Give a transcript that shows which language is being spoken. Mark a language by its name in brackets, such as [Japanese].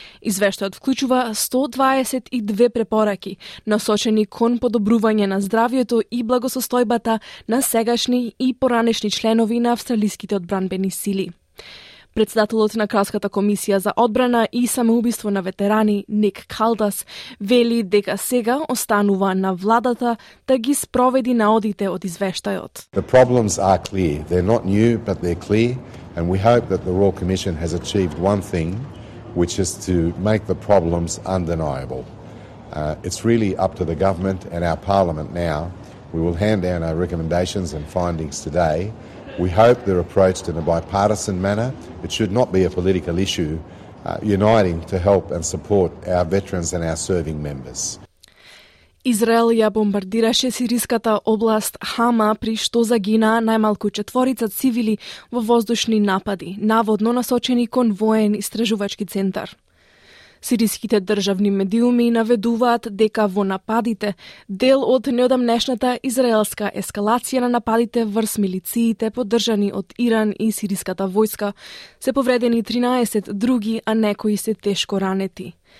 [Macedonian] Извештајот вклучува 122 препораки, насочени кон подобрување на здравјето и благосостојбата на сегашни и поранешни членови на австралиските одбранбени сили. Председателот на Кралската комисија за одбрана и самоубиство на ветерани, Ник Калдас, вели дека сега останува на владата да ги спроведи наодите од извештајот. [English] The problems are clear. They're not new, but they're clear, and we hope that the Royal Commission has achieved one thing, which is to make the problems undeniable. It's really up to the government and our parliament now. We will hand down our recommendations and findings today. We hope they're approached in a bipartisan manner. It should not be a political issue, uniting to help and support our veterans and our serving members. [Macedonian] Израел ја бомбардираше сириската област Хама, при што загинаа најмалку четворица цивили во воздушни напади, наводно насочени кон воен истражувачки центар. Сириските државни медиуми наведуваат дека во нападите, дел од неодамнешната израелска ескалација на нападите врз милициите поддржани од Иран и сириската војска, се повредени 13 други, а некои се тешко ранети.